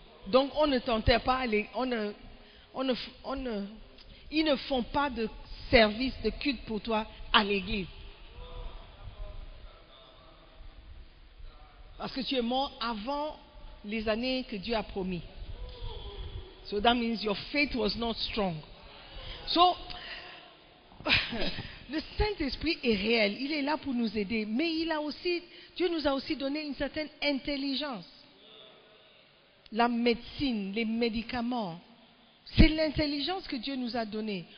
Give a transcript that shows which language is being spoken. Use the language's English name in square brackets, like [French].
[French] Donc, on ne t'enterre pas, ils ne font pas de service, de culte pour toi à l'église. Parce que tu es mort avant les années que Dieu a promis. [English] So that means your faith was not strong. [French] So, le Saint-Esprit est réel, il est là pour nous aider, mais Dieu nous a aussi donné une certaine intelligence. La médecine, les médicaments, c'est l'intelligence que Dieu nous a donnée.